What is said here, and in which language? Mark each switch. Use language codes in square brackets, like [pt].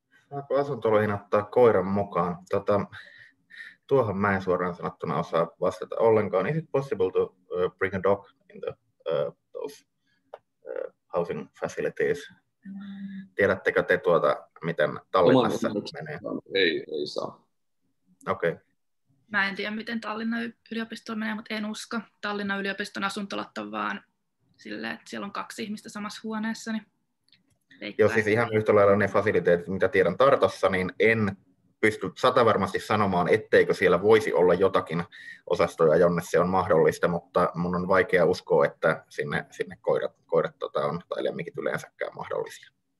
[fi] Saako asuntoloihin ottaa koiran mukaan? Tuohan mä en suoraan sanottuna osaa vastata ollenkaan. [en] Is it possible to bring a dog in the those housing facilities? [fi] Tiedättekö te tuota, miten Tallinnassa menee? Ei saa. Okei. [en] Okay. [fi] Mä en tiedä, miten Tallinnan yliopistolla menee, mutta en usko. Tallinnan yliopiston asuntolat on vaan silleen, että siellä on kaksi ihmistä samassa huoneessa. Niin joo, siis ihan yhtä lailla ne fasiliteetit, mitä tiedän Tartossa, niin en pysty satavarmasti sanomaan, etteikö siellä voisi olla jotakin osastoja, jonne se on mahdollista, mutta mun on vaikea uskoa, että sinne koirat on, tai lemmikit yleensäkään mahdollisia.